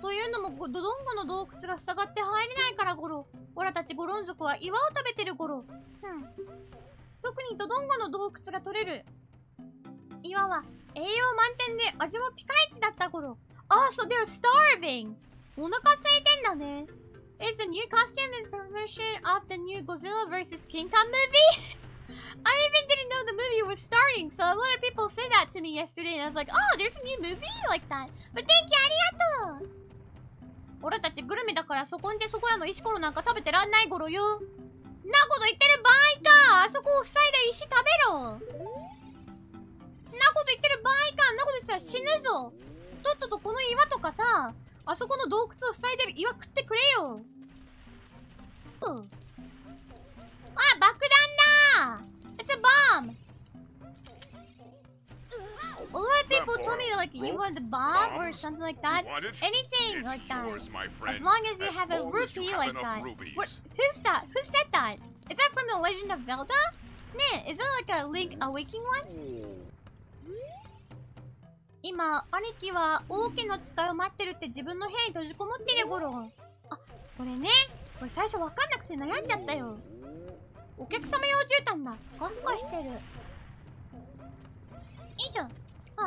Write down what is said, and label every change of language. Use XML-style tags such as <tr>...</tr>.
<ja>というのもドドンゴの洞窟が塞がって入れないからゴロ。オラたちゴロン族は岩を食べてるゴロ。うん、特にドドンゴの洞窟が取れる岩は栄養満点で味もピカイチだったゴロ。あ、そう、</ja> <en>they're starving。</en> <ja>お腹空いてんだね。</ja> <en>It's a new costume and promotion of the new Godzilla vs. King Kong movie。 I even didn't know the movie was starting, so a lot of people said that to me yesterday, and I was like, oh, there's a new movie like that. But thank you,</en> <ja>ありがとう。オラたちグルメだからそこんじゃそこらの石ころなんか食べてらんないごろよ。なこと言ってる場合か。あそこを塞いだ石食べろ。なこと言ってる場合か。なこと言ったら死ぬぞ。とっととこの岩とかさ、あそこの洞窟を塞いでる岩食ってくれよ。うん、あ、爆弾だ。</ja> <en>It's a bomb! A lot of people told me, like, you want the bomb or something like that. Anything like that. As long as you have a rupee like that. Who's that? Who said that? Is that from The Legend of Zelda? Ne, is that like a Link Awakening one?</en> <ja>今、兄貴は王家の誓いを待ってるって自分の部屋に閉じこもってるごろ。あ、これね。これ最初わかんなくて悩んじゃったよ。お客様用絨毯だ。ガンガンしてる。いいじゃん。あ、</ja>